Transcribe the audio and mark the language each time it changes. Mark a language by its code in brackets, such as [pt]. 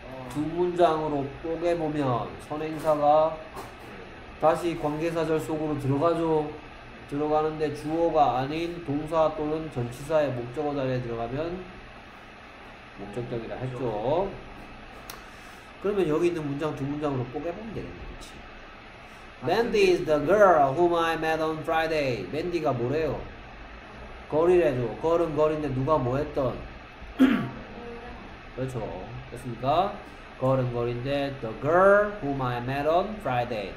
[ko] 두 문장으로 보게 보면 선행사가 다시 관계사절 속으로 들어가죠. 들어가는데 주어가 아닌 동사 또는 전치사의 목적어 자리에 들어가면 목적격이라 했죠. 그러면 여기 있는 문장 두 문장으로 뽀개보면 되겠네. 그치? [en] Mandy is the girl whom I met on Friday. [ko] Mandy가 뭐래요? 걸이래죠. 걸은 걸인데 누가 뭐 했던? 그렇죠. 됐습니까? 걸음걸인데 [en] The girl whom I met on Friday.